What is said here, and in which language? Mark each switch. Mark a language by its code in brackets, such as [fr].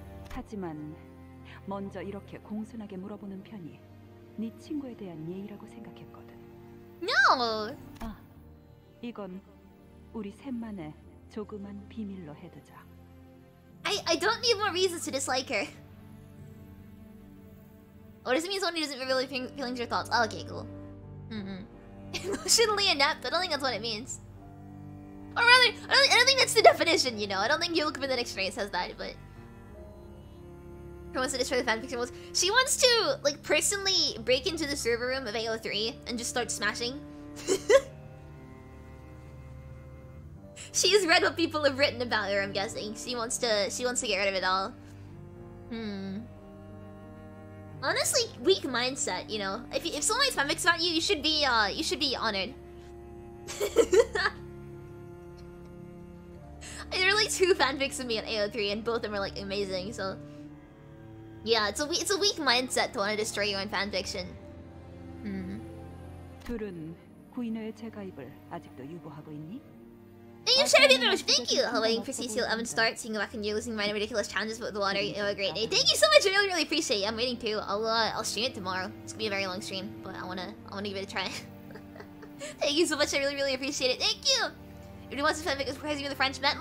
[ko] 하지만 먼저 이렇게 공손하게 물어보는 편이 네 친구에 대한 예의라고 생각했거든. [en] No. [ko] 아, 이건 우리 셋만의 조그만 비밀로 해두자. [en] I don't need more reasons to dislike her. What does it mean someone who doesn't reveal their feelings or thoughts? Oh, okay, cool. Emotionally inept? I don't think that's what it means. Or rather, I don't think that's the definition, you know? I don't think you look for the next phrase says that, but... She wants to destroy the fanfiction rules. She wants to, like, personally break into the server room of AO3 and just start smashing. She's read what people have written about her, I'm guessing. She wants to get rid of it all. Honestly, weak mindset, you know. If someone makes fanfics about you, you should be honored. There are like two fanfics of me on AO3, and both of them are like amazing. So, yeah, it's a weak mindset to want to destroy your own fanfiction. [ko] 둘은 구인회의 재가입을 아직도 유보하고 있니? [en] Thank you, Sherry, very much. Thank you. Hello, waiting for CCL Evan to start. Seeing you back and you're losing my ridiculous challenges with the water. You have a great day. Thank you so much. I really, really appreciate you. I'm waiting too. I'll stream it tomorrow. It's gonna be a very long stream, but I wanna give it a try. Thank you so much. I really, really appreciate it. Thank you. If you want to spend it, surprise me with the French man.